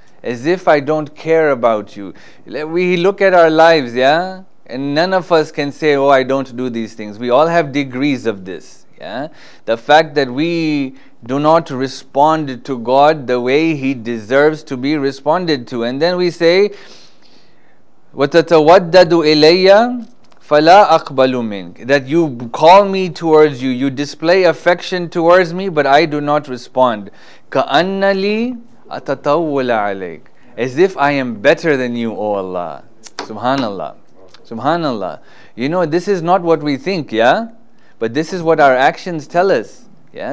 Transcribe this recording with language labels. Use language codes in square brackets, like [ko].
[en] As if I don't care about you. We look at our lives, yeah? And none of us can say, oh, I don't do these things. We all have degrees of this, yeah? The fact that we do not respond to God the way He deserves to be responded to. And then we say, [ar] وَتَتَوَدَّدُ إِلَيَّ فَلَا أَقْبَلُ مِنْكَ. [en] That you call me towards you, you display affection towards me, but I do not respond. [ar] كَأَنَّلِي أَتَطَوَّلَ عَلَيْكَ. [en] As if I am better than you, O Allah. Subhanallah. Subhanallah. You know, this is not what we think, yeah? But this is what our actions tell us. Yeah?